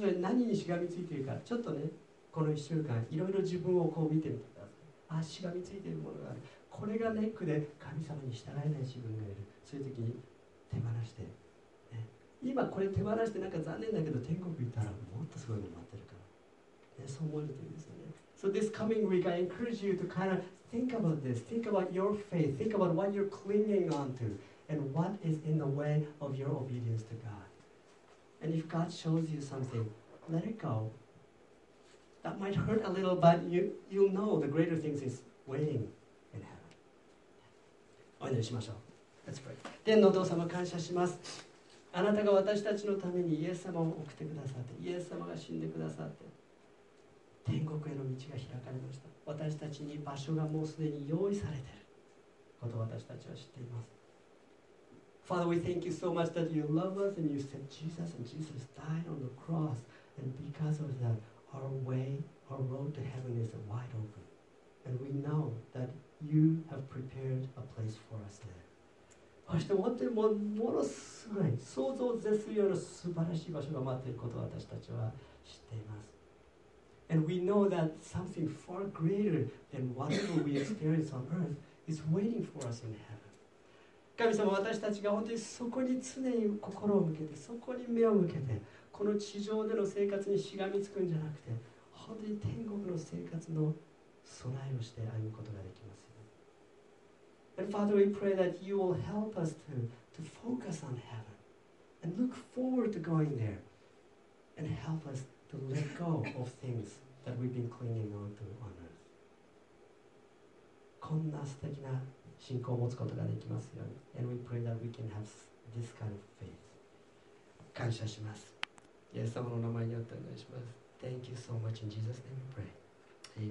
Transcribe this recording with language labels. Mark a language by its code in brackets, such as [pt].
[ja] まずは何にしがみついているか、ちょっとねこの1週間いろいろ自分をこう見てみてください。あ、しがみついているものがある、これがネックで神様に従えない自分がいる。そういう時に手放して、ね、今これ手放してなんか残念だけど天国行ったらもっとすごいの待ってるから、ね、そう思えるといいですよね。 [en] So this coming week I encourage you to kind of think about this. Think about your faith. Think about what you're clinging on to and what is in the way of your obedience to God. And if God shows you something, let it go. That might hurt a little, but you'll know the greater things is waiting. [ja] お祈りしましょう。 [en] Let's pray. [ja] 天のお父様、感謝します。あなたが私たちのためにイエス様を送ってくださって、イエス様が死んでくださって天国への道が開かれました。私たちに場所がもうすでに用意されていることを私たちは知っています。 [en] Father, we thank you so much that you love us and you sent Jesus, and Jesus died on the cross, and because of that our way, our road to heaven is wide open, and we know thatYou have prepared a place for us there. [ja] そして本当にものすごい想像を絶するような素晴らしい場所が待っていることを私たちは知っています。 [en] And we know that something far greater than whatever we experience on earth is waiting for us in heaven. [ja] 神様、私たちが本当にそこに常に心を向けて、そこに目を向けて、この地上での生活にしがみつくんじゃなくて、本当に天国の生活の備えをして歩むことができますよ。 [en] And Father, we pray that you will help us to focus on heaven and look forward to going there and help us to let go of things that we've been clinging on to on earth. [ja] こんな素敵な信仰を持つことができますように。 [en] And we pray that we can have this kind of faith. [ja] 感謝します。イエス様の名前によってお願いします。 [en] Thank you so much. In Jesus' name we pray.